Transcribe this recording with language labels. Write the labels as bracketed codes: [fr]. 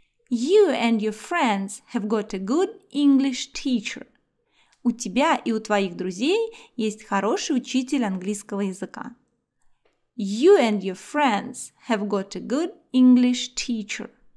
[en] You and your friends have got a good English teacher. [ru] У тебя и у твоих друзей есть хороший учитель английского языка. [en] You and your friends have got a good English teacher.